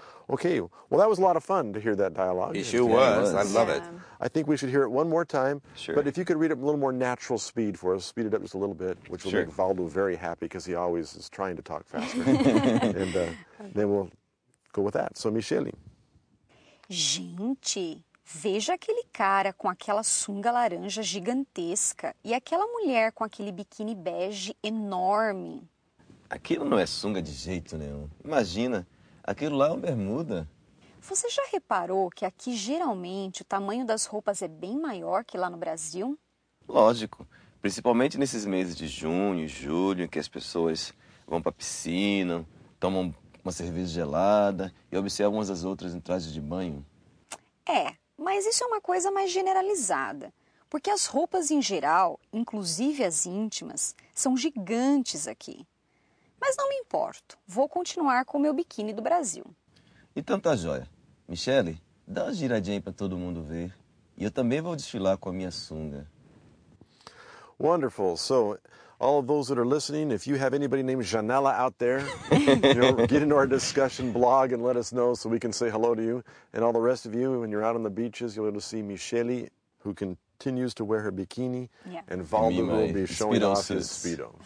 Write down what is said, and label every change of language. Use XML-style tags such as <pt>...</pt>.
<en>Okay, well, that was a lot of fun to hear that dialogue. It sure was. I love it. I think we should hear it one more time. Sure. But if you could read it a little more natural speed for us, speed it up just a little bit, which will make Valdo very happy because he always is trying to talk faster. And then we'll go with that. So, Michele.</en> <pt>Gente, veja aquele cara com aquela sunga laranja gigantesca e aquela mulher com aquele biquíni bege enorme. Aquilo não é sunga de jeito nenhum. Imagina, aquilo lá é uma bermuda. Você já reparou que aqui geralmente o tamanho das roupas é bem maior que lá no Brasil? Lógico, principalmente nesses meses de junho e julho, que as pessoas vão para a piscina, tomam uma cerveja gelada e observa umas as outras em trajes de banho. É, mas isso é uma coisa mais generalizada, porque as roupas em geral, inclusive as íntimas, são gigantes aqui. Mas não me importo, vou continuar com o meu biquíni do Brasil. Então tá joia. Michele, dá uma giradinha aí para todo mundo ver. E eu também vou desfilar com a minha sunga.</pt> <en>Wonderful. So, all of those that are listening, if you have anybody named Janela out there, you know, get into our discussion blog and let us know so we can say hello to you. And all the rest of you, when you're out on the beaches, you'll be able to see Michele, who continues to wear her bikini, and Valdo will be showing off his speedo.</en>